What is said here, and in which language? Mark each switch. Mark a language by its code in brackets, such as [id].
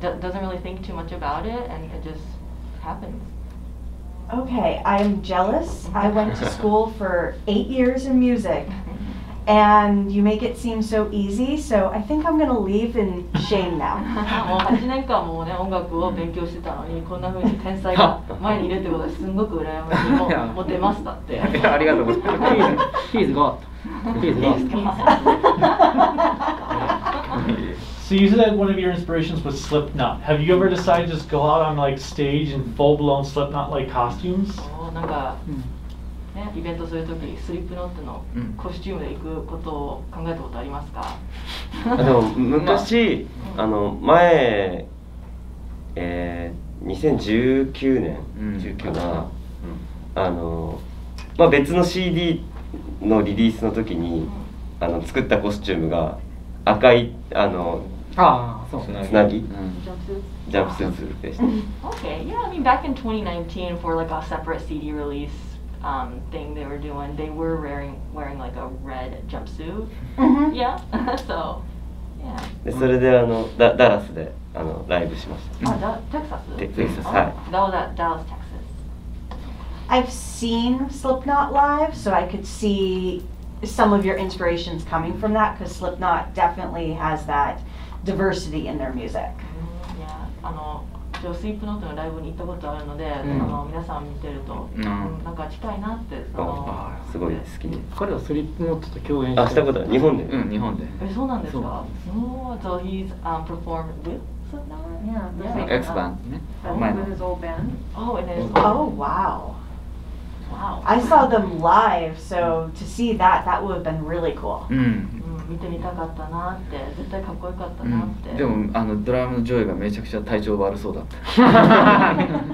[en] Doesn't really think too much about it, and it just happens. Okay, I'm jealous. I went to school for 8 years in music, and you make it seem so easy, so I think I'm going to leave in shame now. [ja] もう8年間もね、音楽を勉強してたのに、こんな風に天才が前にいるってことですんごく羨ましい。もう出ましたって。いや、ありがとうございます。 [en] He's got. He's got. He's got. So you said that one of your inspirations was Slipknot. Have you ever decided to just go out on like stage in full-blown Slipknot-like costumes? [ja] なんか…イベントするときスリップノットのコスチュームで行くことを考えたことありますか？あ、でも昔、まあ、あの前、2019年かな、うん、あの、まあ、別の CD のリリースのときに、うん、あの作ったコスチュームが赤いあのつなぎ、ジャンプスーツでした。 [en] Okay, yeah, I mean back in 2019 for like a separate CD releaseThing they were doing, they were wearing like a red jumpsuit. Yeah, so yeah. [ja] それであのダラスであのライブしました。あ、テキサス？テキサス、はい。ダラス、テキサス。 [en] I've seen Slipknot live, so I could see some of your inspirations coming from that, because Slipknot definitely has that diversity in their music. [ja] Yeah, あの、ジョスイプノートのライブに行ったことあるので、あの皆さん見てると、なんか近いなって、すごい好きに。彼はスリップノートと共演して、したことある、日本で。うん、日本で。え、そうなんですか。そう、 [en] so he's performed with Slipknot? Yeah, yeah. X-Band, yeah. Oh, with his old band. Oh, it is. Oh, wow. Wow. I saw them live, so to see that, that would have been really cool. [ja] 見てみたかったなって、絶対かっこよかったなって。でもあのドラムのジョイがめちゃくちゃ体調悪そうだった。